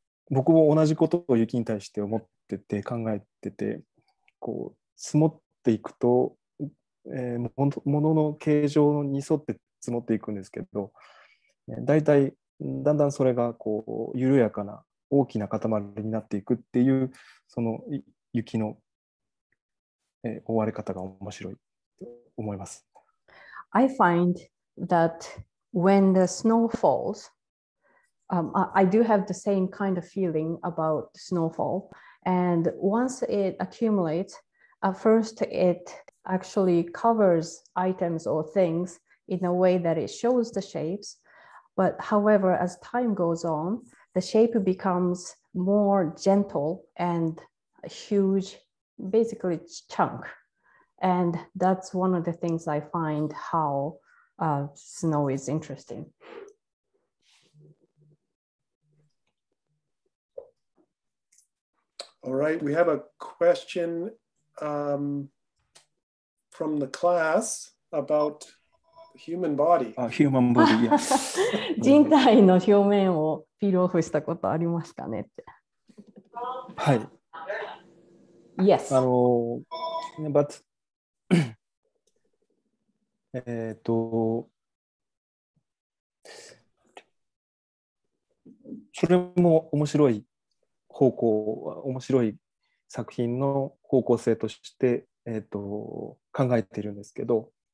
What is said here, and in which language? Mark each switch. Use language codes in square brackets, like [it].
[ja] 僕も同じことを雪に対して思ってて考えてて、こう積もっていくと、物の形状に沿って積もっていくんですけど、だいたいだんだんそれがこう緩やかな大きな塊になっていくっていう、その雪の覆われ方が面白いと思います。 [en] I find that when the snow falls, I do have the same kind of feeling about snowfall. And once it accumulates, at first it actually covers items or things in a way that it shows the shapes. But however, as time goes on, the shape becomes more gentle and a huge, basically chunk. And that's one of the things I find how snow is interesting. All right, we have a question from the class about... Human body. Human body, yes. [ja] 人体の表面をピールオフしたことありますかねって。はい。 [en] Yes. [ja] But, それも面白い方向、面白い作品の方向性として、考えているんですけど、